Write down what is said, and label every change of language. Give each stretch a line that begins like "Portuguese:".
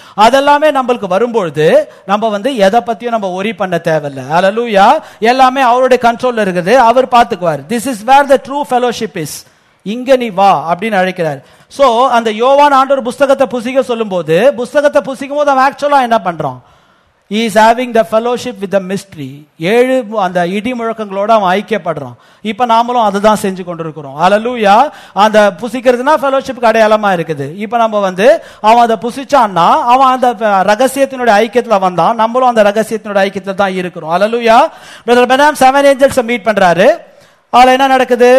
Tamil: அதெல்லாமே நம்மளுக்கு வரும்பொழுது நம்ம வந்து எதை பற்றியும் நம்ம ஒரி பண்ண தேவையில்லை. ஹல்லேலூயா. எல்லாமே அவருடைய கண்ட்ரோலில் இருக்குது, அவர் பார்த்துக்குவார்.
English: This is where the true fellowship is.
Tamil: இங்க நீ வா அப்படின்னு அழைக்கிறார். ஸோ அந்த யோவான் ஆண்டவர் புஸ்தகத்தை புசிக்க சொல்லும் போது, புஸ்தகத்தை புசிக்கும் போது அவன் ஆக்சுவலாக என்ன பண்ணுறான்,
English: He is having the fellowship with the mystery.
Tamil: ஏழு அந்த இடி முழக்கங்களோட அவன் ஐக்கியப்படுறோம். இப்ப நாமளும் அதுதான் செஞ்சு கொண்டிருக்கிறோம். அல்லேலூயா. அந்த புசிக்கிறதுனா ஃபெலோஷிப்புக்கு அடையாளமா இருக்குது. இப்ப நம்ம வந்து அவன் அதை புசிச்சான்னா அவன் அந்த ரகசியத்தினுடைய ஐக்கியத்துல வந்தான். நம்மளும் அந்த ரகசியத்தினுடைய ஐக்கியத்துல தான் இருக்கிறோம். அல்லேலூயா. பிரதர் பெனாம் செவன் ஏஞ்சல்ஸ் மீட் பண்றாரு. அதுல என்ன நடக்குது?